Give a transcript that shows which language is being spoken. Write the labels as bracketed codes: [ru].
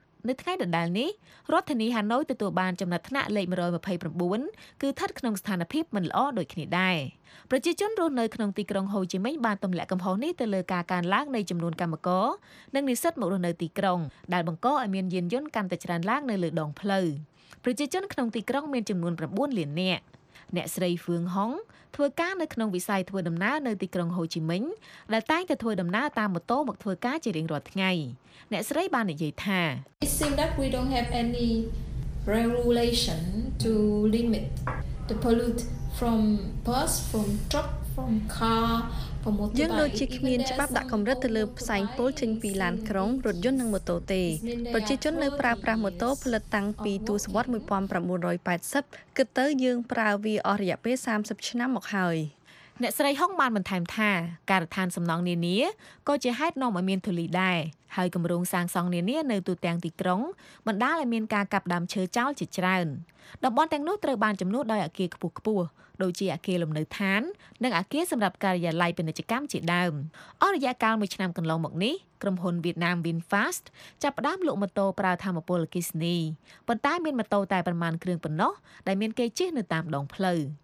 [km] នៅថ្ងៃដដែលនេះរដ្ឋធានីហាណូយទទួលបានចំណាត់ថ្នាក់លេខ129គឺស្ថិតក្នុងស្ថានភាពមិនល្អដូចគ្នាដែរប្រជាជនរស់នៅក្នុងទីក្រុងហូជីមិញបានទម្លាក់កំហុសនេះទៅលើការកើនឡើងនៃចំនួនកម្មករនិងនិស្សិតមករស់នៅទីក្រុងដែលបង្កឲ្យមានយានយន្តកាន់តែច្រើនឡើងនៅលើដងផ្លូវ ប្រជាជនក្នុងទីក្រុងមានចំនួន9លាននាក់អ្នកស្រីហ្វឿងហុងធ្វើការនៅក្នុងវិស័យធ្វើដំណើរនៅទីក្រុងហូជីមិញដែលតែងតែធ្វើដំណើរតាមម៉ូតូមកធ្វើការជារៀងរាល់ថ្ងៃអ្នកស្រីបាននិយាយថា [en] It seems that we don't have any regulation to limit the pollute from bus, from truck, from car, from motorbike. [km] យើងដូចជាគ្មានច្បាប់ដាក់កម្រិតទៅលើផ្សែងពុលចេញពីឡានក្រុងរថយន្តនិងម៉ូតូទេប្រជាជននៅប្រើប្រាស់ម៉ូតូផលិតតាំងពីទសវត្ស 1980 គិតទៅយើងប្រើវាអស់រយៈពេល30ឆ្នាំមកហើយ អ្នកស្រីហុងបានបន្ថែមថាការដ្ឋានសំណង់នានាក៏ជាហេតុនាំឲ្យមានធូលីដែរហើយគម្រោងសាងសង់នានានៅទូទាំងទីក្រុងបណ្ដាលឲ្យមានការកាប់ដើមឈើចោលជាច្រើនតំបន់ទាំងនោះត្រូវបានជំនួសដោយអគារខ្ពស់ៗដូចជាអគារលំនៅឋាននិងអគារសម្រាប់ការិយាល័យពាណិជ្ជកម្មជាដើមអស់រយៈកាលមួយឆ្នាំកន្លងមកនេះក្រុមហ៊ុនវៀតណាម VinFast ចាប់ផ្ដើមលក់ម៉ូតូប្រើថាមពលអគ្គិសនីប៉ុន្តែមានម៉ូតូតែប្រមាណគ្រឿងប៉ុណ្ណោះដែលមានគេជិះនៅតាមដងផ្លូវ